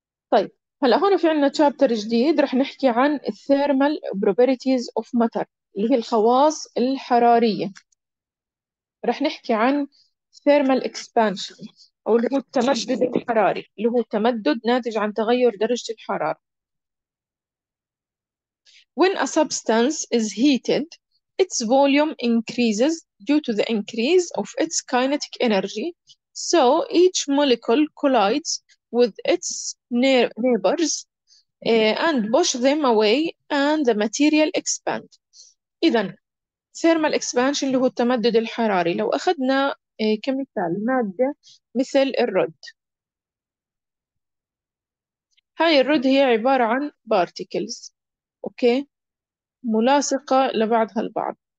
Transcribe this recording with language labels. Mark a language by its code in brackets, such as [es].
[ar] طيب هلا هون في عندنا تشابتر جديد رح نحكي عن الثيرمال بروبريتيز اوف ماتر اللي هي الخواص الحرارية، رح نحكي عن ثيرمال اكسبانشن او اللي هو التمدد الحراري، اللي هو تمدد ناتج عن تغير درجة الحرارة. [en] When a substance is heated, its volume increases due to the increase of its kinetic energy. So each molecule collides with its neighbors and push them away and the material expands. [ar] إذا thermal expansion اللي هو التمدد الحراري، لو أخذنا كمثال مادة مثل الرد، هاي الرد هي عبارة عن particles، أوكي، ملاصقة لبعضها البعض.